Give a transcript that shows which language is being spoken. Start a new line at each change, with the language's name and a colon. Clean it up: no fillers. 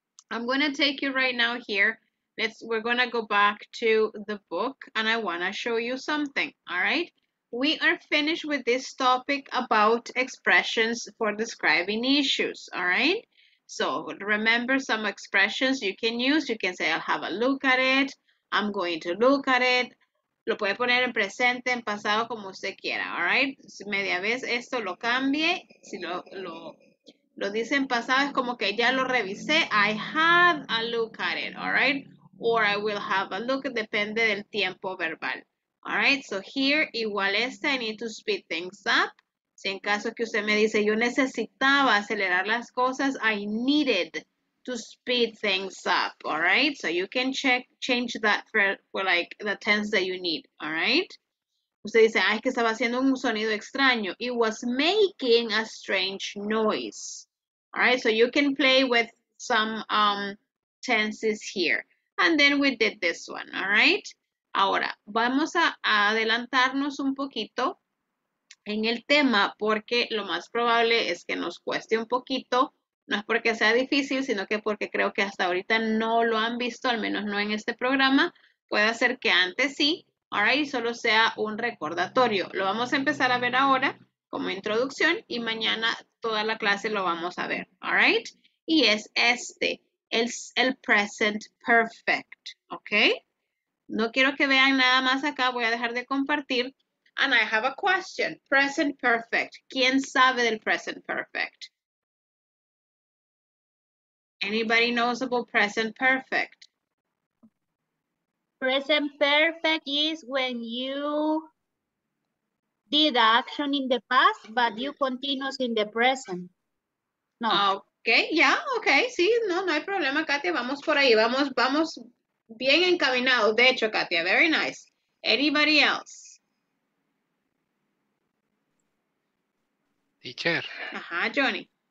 English: I'm going to take you right now here. We're going to go back to the book, and I want to show you something. All right. We are finished with this topic about expressions for describing issues, all right? So remember some expressions you can use. You can say, I'll have a look at it. I'm going to look at it.
Spanish: Lo puede poner en presente, en pasado, como usted quiera,
English: all right?
Spanish: Si media vez esto lo cambie, si lo dice en pasado, es como que ya lo revisé.
English: I had a look at it, all right? Or I will have a look,
Spanish: depende del tiempo verbal.
English: All right, so here,
Spanish: igual este,
English: I need to speed things up.
Spanish: Si en caso que usted me dice, yo necesitaba acelerar las cosas,
English: I needed to speed things up, all right? So you can change that for like the tense that you need, all right?
Spanish: Usted dice, ay, que estaba haciendo un sonido extraño.
English: It was making a strange noise, all right? So you can play with some tenses here. And then we did this one, all right?
Spanish: Ahora, vamos a adelantarnos un poquito en el tema porque lo más probable es que nos cueste un poquito. No es porque sea difícil, sino que porque creo que hasta ahorita no lo han visto, al menos no en este programa. Puede ser que antes sí,
English: all right,
Spanish: y solo sea un recordatorio. Lo vamos a empezar a ver ahora como introducción y mañana toda la clase lo vamos a ver,
English: all right?
Spanish: Y es este, es el present perfect, ¿ok? No quiero que vean nada más acá, voy a dejar de compartir.
English: And I have a question, present perfect.
Spanish: ¿Quién sabe del present perfect?
English: Anybody knows about present perfect? Present perfect is when you did an action in the past, but you continues in the present.
Spanish: No.
English: Okay, yeah, okay,
Spanish: sí, no, no hay problema, Katia, vamos por ahí, vamos. Bien encaminado, de hecho, Katia.
English: Very nice. Anybody else? Teacher.
Spanish: Ajá, Johnny.